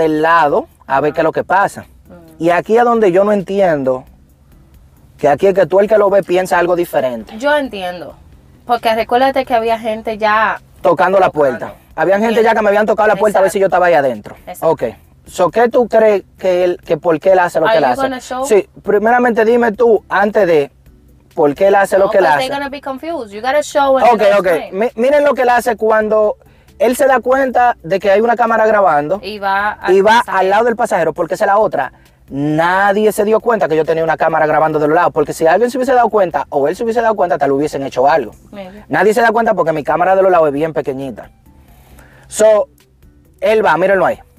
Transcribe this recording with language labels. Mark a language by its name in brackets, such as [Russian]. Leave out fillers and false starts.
[Spanish] del lado a ver qué es lo que pasa. Y aquí es donde yo no entiendo, que aquí es que tú el que lo ve piensa algo diferente. Yo entiendo, porque recuérdate que había gente ya... Tocando la puerta. Había gente ya que me habían tocado la puerta. A ver si yo estaba ahí adentro. Exacto. Ok. So, ¿qué tú crees que por qué él hace lo [English] Are [Spanish] que él hace? [English] Gonna show? [Spanish] Sí, primeramente dime tú, antes de, ¿por qué él hace [English] no, [Spanish] lo que él hace? [English] No, they're gonna be confused. You gotta show and okay, [Spanish] okay. Miren lo que él hace cuando... Él se da cuenta de que hay una cámara grabando. Y va al lado del pasajero, porque esa es la otra... Nadie se dio cuenta que yo tenía una cámara grabando de los lados, porque si alguien se hubiese dado cuenta o él se hubiese dado cuenta, tal hubiesen hecho algo. [English] Maybe. [Spanish] Nadie se da cuenta porque mi cámara de los lados es bien pequeñita. So, él va, mírenlo ahí.